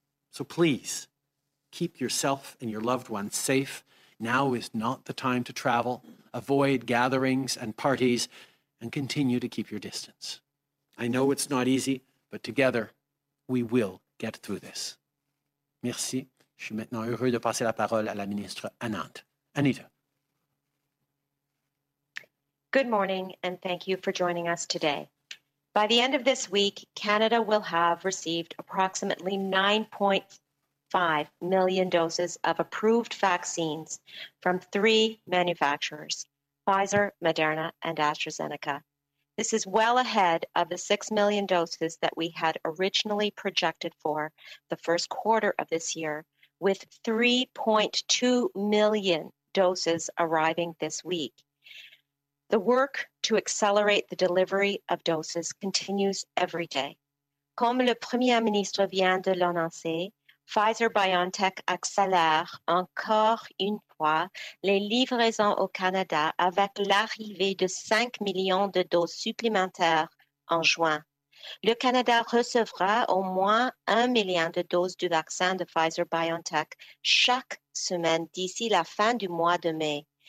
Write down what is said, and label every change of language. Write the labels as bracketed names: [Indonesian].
[English] So please, keep yourself and your loved ones safe. Now is not the time to travel. Avoid gatherings and parties, and continue to keep your distance. I know it's not easy, but together we will get through this. [French] Merci. Je suis maintenant heureux de passer la parole à la ministre Anand. Anita. [English] Good morning, and thank you for joining us today. By the end of this week, Canada will have received approximately 9.5 million doses of approved vaccines from three manufacturers: Pfizer, Moderna, and AstraZeneca. This is well ahead of the 6 million doses that we had originally projected for the first quarter of this year, with 3.2 million doses arriving this week. The work to accelerate the delivery of doses continues every day. [French] Comme le Premier ministre vient de l'annoncer, Pfizer-BioNTech accélère encore une fois les livraisons au Canada avec l'arrivée de 5 millions de doses supplémentaires en juin Le Canada recevra au moins 1 million de doses du vaccin de Pfizer-BioNTech chaque semaine d'ici la fin du mois de mai.